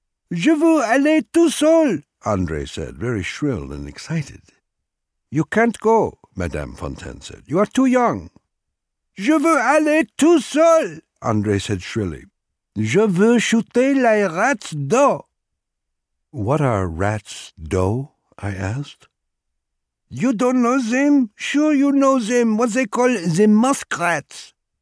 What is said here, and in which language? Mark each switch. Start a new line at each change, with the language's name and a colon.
French: Je veux aller tout seul,
English: André said, very shrill and excited. You can't go, Madame Fontaine said. You are too young.
French: Je veux aller tout seul,
English: André said shrilly.
French: Je veux shooter les rats d'eau.
English: What are rats d'eau? I asked. You don't know them? Sure you know them. What they call the muskrats,